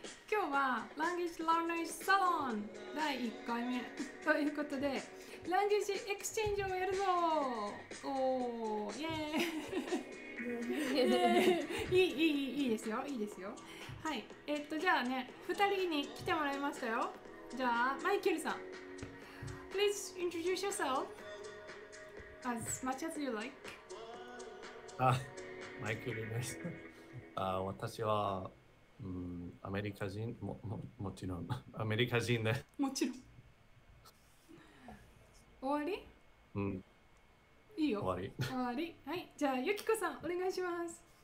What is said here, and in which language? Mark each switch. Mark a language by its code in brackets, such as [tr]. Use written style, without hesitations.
[ja] 今日は Language Learners Salon 第1回目ということで、Language Exchange をやるぞ。おお、イエーイ。いいですよ、いいですよ。はい、じゃあね、2人に来てもらいましたよ。じゃあ、マイケルさん。 [en] Please introduce yourself as much as you like. [ja] マイケルです。私は、アメリカ人、もちろん、アメリカ人で。もちろん。終わり？うん。いいよ。終わり。終わり。はい、じゃあ、ユキコさん、お願いします。